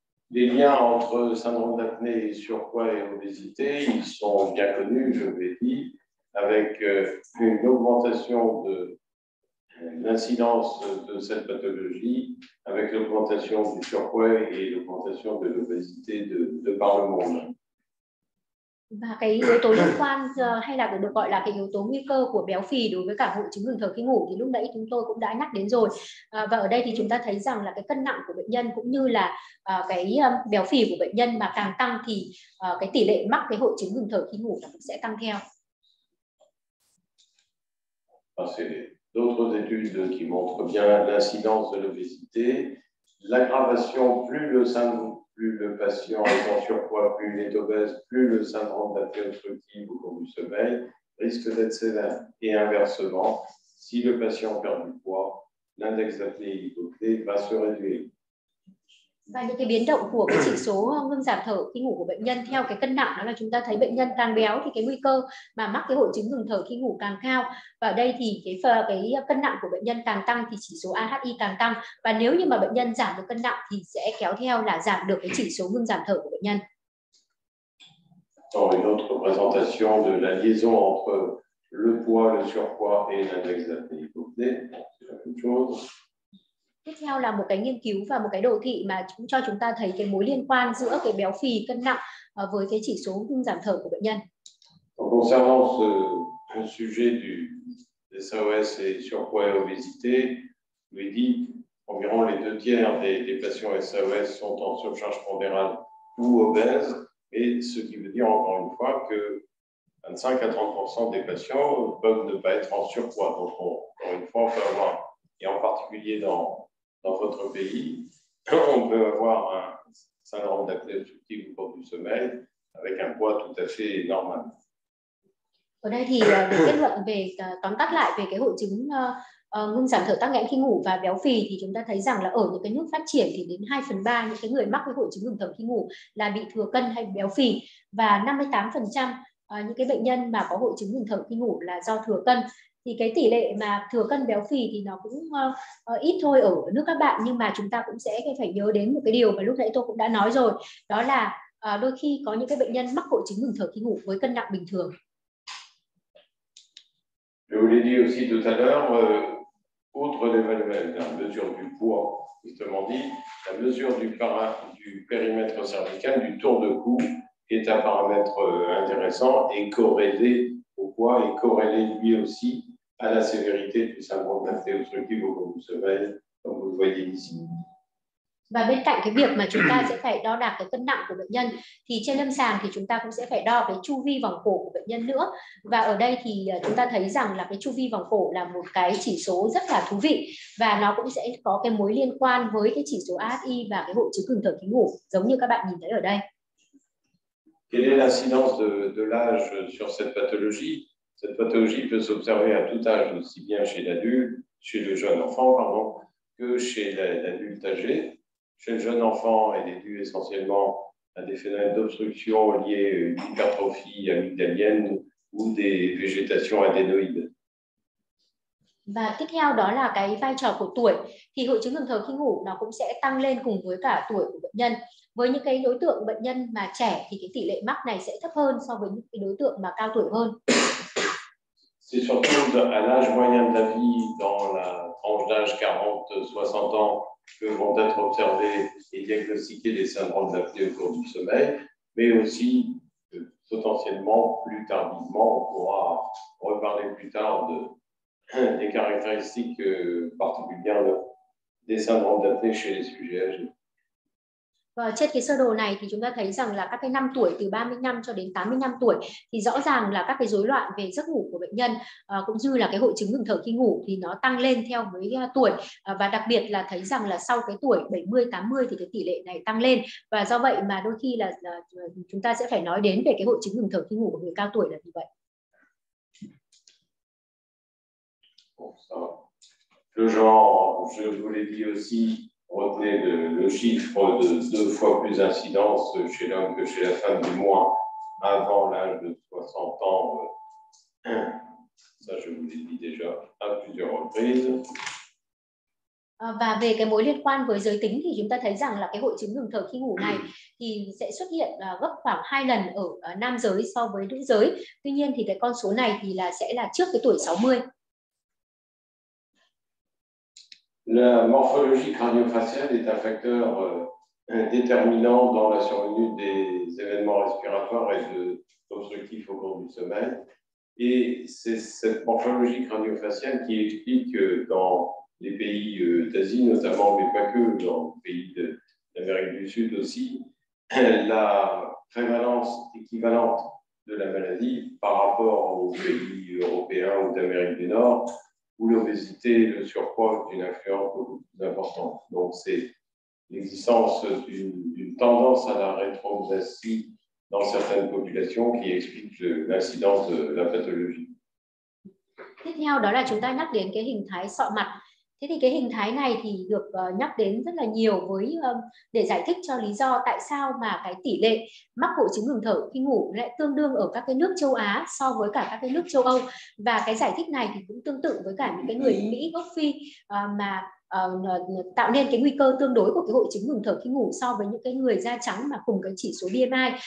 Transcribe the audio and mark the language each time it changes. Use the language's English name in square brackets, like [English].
[French] Les liens entre syndrome d'apnée, surpoids et obésité, ils sont bien connus, je vous l'ai dit, avec une augmentation de l'incidence de cette pathologie, avec l'augmentation du surpoids et l'augmentation de l'obésité de par le monde. [Vietnamese] Và cái yếu tố liên quan hay là được gọi là cái yếu tố nguy cơ của béo phì đối với cả hội chứng ngừng thở khi ngủ thì lúc nãy chúng tôi cũng đã nhắc đến rồi. Và ở đây thì chúng ta thấy rằng là cái cân nặng của bệnh nhân cũng như là cái béo phì của bệnh nhân mà càng tăng thì cái tỷ lệ mắc cái hội chứng ngừng thở khi ngủ cũng sẽ tăng theo. [French] C'est d'autres études qui montrent bien l'incidence de l'obésité, l'aggravation plus le patient est en surpoids, plus il est obèse, plus le syndrome d'apnée obstructive au cours du sommeil risque d'être sévère. Et inversement, si le patient perd du poids, l'index d'apnée hypopnée va se réduire. [Vietnamese] Và những cái biến động của cái chỉ số ngưng giảm thở khi ngủ của bệnh nhân theo cái cân nặng, đó là chúng ta thấy bệnh nhân càng béo thì cái nguy cơ mà mắc cái hội chứng ngừng thở khi ngủ càng cao. Và ở đây thì cái cân nặng của bệnh nhân càng tăng thì chỉ số AHI càng tăng. Và nếu như mà bệnh nhân giảm được cân nặng thì sẽ kéo theo là giảm được cái chỉ số ngưng giảm thở của bệnh nhân. [French] Une autre présentation de la liaison entre le poids, le surpoids et l'index d'apnée hypopnée, c'est la même chose. [Vietnamese] Tiếp theo là một cái nghiên cứu và một cái đồ thị mà cũng cho chúng ta thấy cái mối liên quan giữa cái béo phì, cân nặng với cái chỉ số ngưng giảm thở của bệnh nhân. [French] Concernant ce sujet du SOS et surpoids et obésité, lui dit environ les deux tiers des patients SOS sont en surcharge pondérale ou obèse, et ce qui veut dire encore une fois que 25 à 30% des patients peuvent ne pas être en surpoids. Donc, encore une fois, on peut avoir. Et en particulier dans votre pays, on peut avoir un syndrome d'apnée obstructive au cours du sommeil avec un poids tout à fait normal. [Vietnamese] Ở đây thì kết luận về tóm tắt lại về cái hội chứng ngưng giảm thở tắc nghẽn khi ngủ và béo phì thì chúng ta thấy rằng là ở những cái nước phát triển thì đến 2/3 những cái người mắc cái hội chứng ngừng thở khi ngủ là bị thừa cân hay béo phì, và 58% những cái bệnh nhân mà có hội chứng ngừng thở khi ngủ là do thừa cân. Thì cái tỷ lệ mà thừa cân béo phì thì nó cũng ít thôi ở nước các bạn, nhưng mà chúng ta cũng sẽ phải nhớ đến một cái điều mà lúc nãy tôi cũng đã nói rồi, đó là đôi khi có những cái bệnh nhân mắc hội chứng ngừng thở khi ngủ với cân nặng bình thường. [French] Je vous l'ai dit aussi tout à l'heure, outre l'évaluation, la mesure du poids, justement dit, la mesure du périmètre cervical, du tour de cou, est un paramètre intéressant et corrélé au poids et corrélé lui aussi à la sévérité du syndrome d'athéotropie que vous recevez, comme vous voyez ici. [Vietnamese] Và bên cạnh cái việc mà chúng ta sẽ phải đo đạc cái cân nặng của bệnh nhân thì trên lâm sàng thì chúng ta cũng sẽ phải đo cái chu vi vòng cổ của bệnh nhân nữa. Và ở đây thì chúng ta thấy rằng là cái chu vi vòng cổ là một cái chỉ số rất là thú vị, và nó cũng sẽ có cái mối liên quan với cái chỉ số ASI và cái hội chứng ngừng thở khi ngủ giống như các bạn nhìn thấy ở đây. [French] Quelle est l'incidence de l'âge sur cette pathologie? Cette pathologie peut s'observer à tout âge, aussi bien chez l'adulte, chez le jeune enfant pardon, que chez l'adulte âgé. Chez le jeune enfant, elle est due essentiellement à des phénomènes d'obstruction liés à une hypertrophie amygdalienne ou des végétations adénoïdes. [Vietnamese] Và tiếp theo đó là cái vai trò của tuổi, thì hội chứng ngừng thở khi ngủ nó cũng sẽ tăng lên cùng với cả tuổi của bệnh nhân. Với những cái đối tượng bệnh nhân mà trẻ thì cái tỷ lệ mắc này sẽ thấp hơn so với những cái đối tượng mà cao tuổi hơn. [French] C'est surtout à l'âge moyen de la vie dans la tranche d'âge 40-60 ans que vont être observés et diagnostiqués les syndromes d'apnée au cours du sommeil, mais aussi potentiellement plus tardivement, on pourra reparler plus tard des caractéristiques particulières des syndromes d'apnée chez les sujets âgés. [Vietnamese] Và trên cái sơ đồ này thì chúng ta thấy rằng là các cái năm tuổi từ 35 cho đến 85 tuổi thì rõ ràng là các cái rối loạn về giấc ngủ của bệnh nhân cũng như là cái hội chứng ngừng thở khi ngủ thì nó tăng lên theo với tuổi, và đặc biệt là thấy rằng là sau cái tuổi 70-80 thì cái tỷ lệ này tăng lên, và do vậy mà đôi khi là chúng ta sẽ phải nói đến về cái hội chứng ngừng thở khi ngủ của người cao tuổi là như vậy. [French] Retenez le chiffre de deux fois plus d'incidence chez l'homme que chez la femme du mois avant l'âge de 60 ans. Ça, je vous l'ai dit déjà à plusieurs reprises. [Vietnamese] Và về cái mối liên quan với giới tính thì chúng ta thấy rằng là cái hội chứng ngừng thở khi ngủ này thì sẽ xuất hiện gấp khoảng 2 lần ở nam giới so với nữ giới. Tuy nhiên thì cái con số này thì là sẽ là trước cái tuổi 60. [French] La morphologie crânio-faciale est un facteur déterminant dans la survenue des événements respiratoires et obstructifs au cours du sommeil. Et c'est cette morphologie crânio-faciale qui explique dans les pays d'Asie, notamment, mais pas que, dans les pays d'Amérique du Sud aussi, la prévalence équivalente de la maladie par rapport aux pays européens ou d'Amérique du Nord, où l'obésité et le surpoids ont une influence beaucoup plus importante. Donc c'est l'existence d'une tendance à la rétrogressie dans certaines populations qui explique l'incidence de la pathologie. [Vietnamese] Tiếp theo đó là chúng ta nhắc đến cái hình thái sọ mặt. Thế thì cái hình thái này thì được nhắc đến rất là nhiều với để giải thích cho lý do tại sao mà cái tỷ lệ mắc hội chứng ngừng thở khi ngủ lại tương đương ở các cái nước châu Á so với cả các cái nước châu Âu. Và cái giải thích này thì cũng tương tự với cả những cái người Mỹ gốc Phi mà tạo nên cái nguy cơ tương đối của cái hội chứng ngừng thở khi ngủ so với những cái người da trắng mà cùng cái chỉ số BMI.